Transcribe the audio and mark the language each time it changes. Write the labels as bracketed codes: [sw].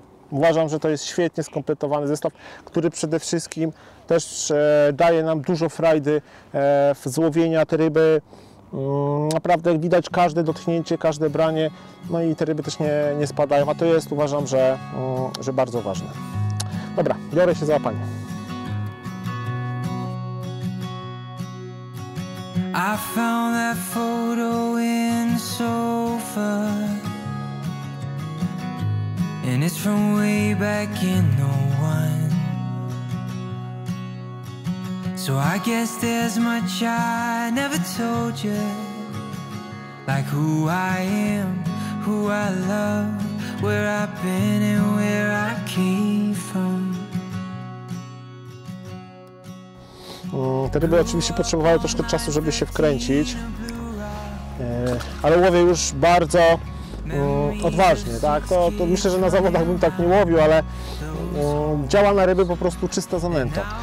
[pl] Uważam, że to jest świetnie skompletowany zestaw, który przede wszystkim też daje nam dużo frajdy w złowieniu te ryby. Naprawdę jak widać każde dotknięcie, każde branie, no i te ryby też nie spadają, a to jest, uważam, że bardzo ważne. Dobra, biorę się za łapanie. [en] I found that photo in the sofa. And it's from way back in the one. So I guess there's much I never told you. Like who I am, who I love, where I've been and where I came from. [pl] Te ryby oczywiście potrzebowały troszkę czasu, żeby się wkręcić. Ale łowię już bardzo odważnie, tak? To myślę, że na zawodach bym tak nie łowił, ale działa na ryby po prostu czysta zanęta.